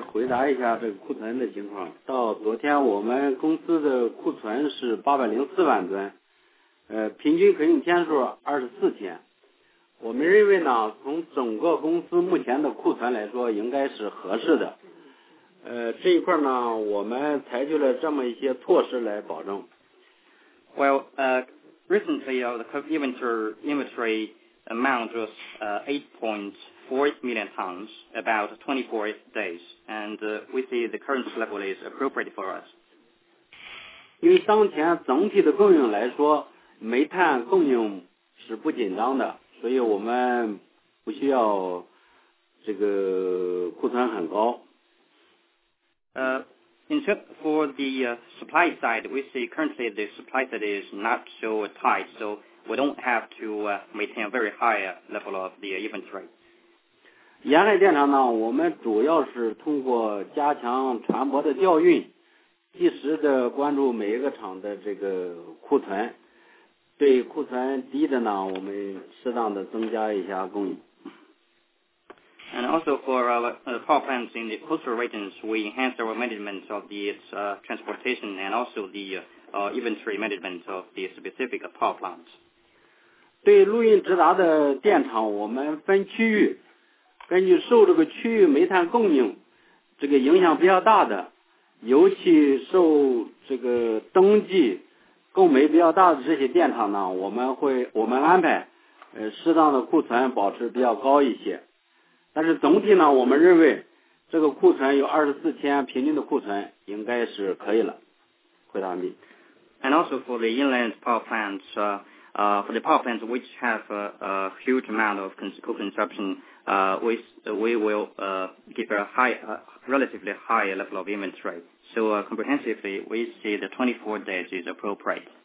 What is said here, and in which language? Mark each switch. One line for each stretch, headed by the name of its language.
Chinese: 回答一下这个库存的情况。到昨天我们公司的库存是804万吨，平均可用天数24天。我们认为呢，从整个公司目前的库存来说应该是合适的。这一块呢，我们采取了这么一些措施来保证。
English: Well, recently the COVID inventory amount was 8.4 million tons, about 24 days, and we see the current level is appropriate for us.
Chinese: 因为当前整体的供应来说，煤炭供应是不紧张的，所以我们不需要这个库存很高。
English: For the supply side, we see currently the supply side is not so tight, so we don't have to maintain a very high level of the inventory.
Chinese: 沿海电厂呢，我们主要是通过加强船舶的调运，及时的关注每一个厂的这个库存，对库存低的呢，我们适当的增加一下供应。
English: And also for our power plants in the coastal regions, we enhance our management of the transportation and also the inventory management of the specific power plants.
Chinese: 对录音直达的电厂，我们分区域，根据受这个区域煤炭供应这个影响比较大的，尤其受这个冬季供煤比较大的这些电厂呢，我们安排适当的库存保持比较高一些。但是总体呢，我们认为这个库存有24天平均的库存应该是可以了。回答完毕。
English: And also for the inland power plants, for the power plants which have a huge amount of co-consumption, we will give a high, relatively high level of inventory. So comprehensively, we see the 24 days is appropriate.